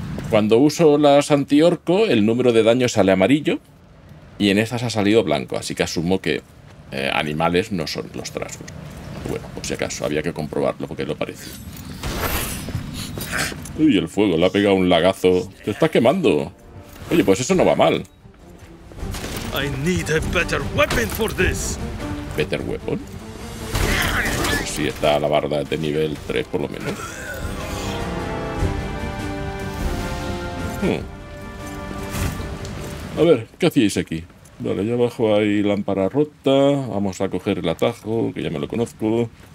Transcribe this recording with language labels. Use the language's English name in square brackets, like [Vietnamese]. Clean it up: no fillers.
[Spanish] Cuando uso las antiorco, el número de daño sale amarillo. Y en estas ha salido blanco, así que asumo que animales no son los trasgos. Bueno, por si acaso, había que comprobarlo porque lo parece. Uy, el fuego, le ha pegado un lagazo. Te estás quemando. Oye, pues eso no va mal. [English] I need a better weapon for this. ¿Better weapon? [Spanish] Pues sí, está la barda de nivel 3 por lo menos. A ver, ¿qué hacíais aquí? Vale, allá abajo hay lámpara rota. Vamos a coger el atajo, que ya me lo conozco.